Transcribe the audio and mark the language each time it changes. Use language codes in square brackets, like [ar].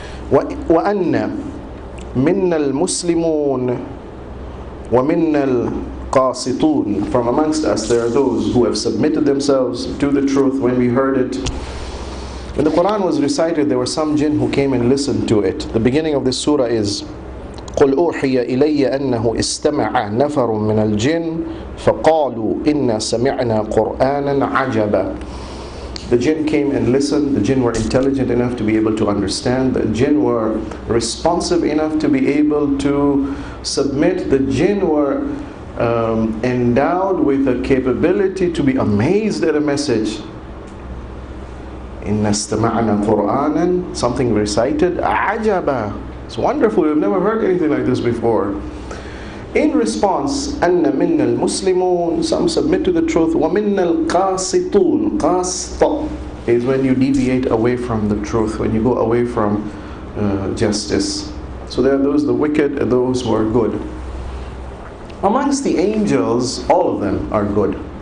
[ar] وَأَنَّ مِنَّ الْمُسْلِمُونَ وَمِنَّ الْقَاسِطُونَ. [en] From amongst us, there are those who have submitted themselves to the truth when we heard it. When the Quran was recited, there were some jinn who came and listened to it. The beginning of this surah is [ar] قُلْ أُوحِيَ إِلَيَّ أَنَّهُ إِسْتَمَعَ نَفَرٌ مِّنَ الْجِنِّ فَقَالُوا إِنَّا سَمِعْنَا قُرْآنًا عَجَبًا. [en] The jinn came and listened. The jinn were intelligent enough to be able to understand. The jinn were responsive enough to be able to submit. The jinn were endowed with a capability to be amazed at a message. [ar] إِنَّا سَمَعْنَا قُرْآنًا. [en] Something recited. [ar] عَجَبًا. [en] It's wonderful. We've never heard anything like this before. In response, [ar] أَنَّ مِنَّ الْمُسْلِمُونَ. [en] Some submit to the truth. [ar] وَمِنَّ الْقَاسِطُونَ. [en] قَاسْطَ is when you deviate away from the truth. When you go away from justice. So there are those the wicked and those who are good. Amongst the angels, all of them are good.